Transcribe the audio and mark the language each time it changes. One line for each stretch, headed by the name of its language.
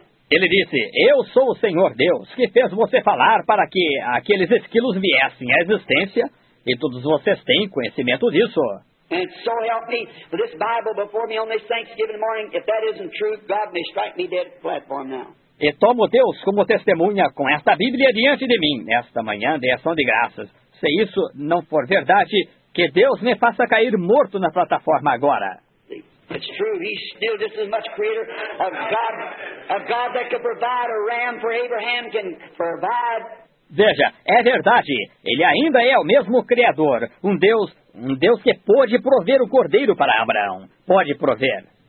Portuguese: Ele disse, eu sou o Senhor Deus que fez você falar para que aqueles esquilos viessem à existência. E todos vocês têm conhecimento disso.
English: And so help me, with this Bible before me on this Thanksgiving morning, if that isn't truth, God may strike me dead platform now.
Portuguese: E tomo Deus como testemunha com esta Bíblia diante de mim, nesta manhã de ação de graças. Se isso não for verdade, que Deus me faça cair morto na plataforma agora.
English: It's true, he's still just as much creator of God that could provide a ram for Abraham can provide.
Portuguese: Veja, é verdade, ele ainda é o mesmo Criador, um Deus que pode prover o Cordeiro para Abraão, pode prover.